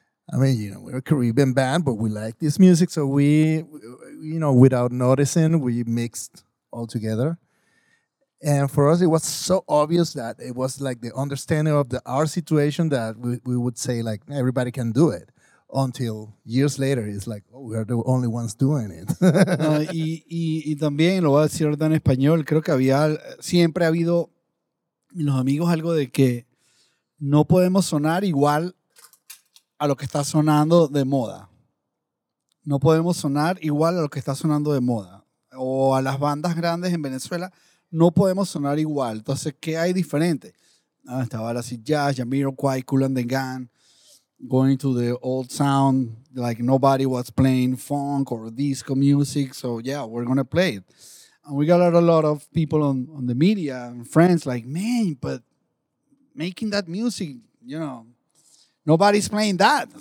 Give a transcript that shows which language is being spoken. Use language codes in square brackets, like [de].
[en] I mean, you know, we're a Caribbean band, but we like this music. So we, you know, without noticing, we mixed all together. And for us, it was so obvious that it was like the understanding of our situation that we would say, like, everybody can do it. Until years later, it's like, oh, we're the only ones doing it. [es] y también, lo voy a decir ahorita en español, creo que siempre ha habido los amigos algo de que no podemos sonar igual a lo que está sonando de moda. No podemos sonar igual a lo que está sonando de moda. O a las bandas grandes en Venezuela, no podemos sonar igual. Entonces, ¿qué hay diferente? Estaba la [en] Sid Jazz, Jamiroquai, Kool & The Gang, going to the old sound, like nobody was playing funk or disco music, so yeah, we're going to play it. And we got a lot of people on the media and friends like, man, but making that music, you know, nobody's playing that.